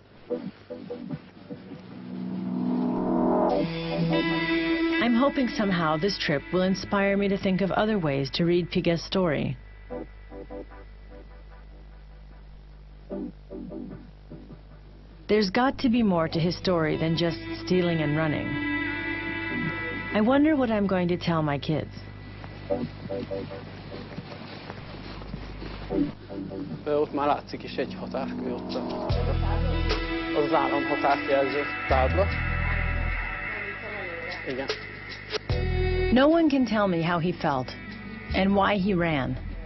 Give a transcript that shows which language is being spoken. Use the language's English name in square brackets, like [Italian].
[English] I'm hoping somehow this trip will inspire me to think of other ways to read Pige's story. There's got to be more to his story than just stealing and running. I wonder what I'm going to tell my kids. [Hungarian] Ott már látszik is egy határkő, ott az állam határjelző tábla. Igen. [English] No one can tell me how he felt and why he ran.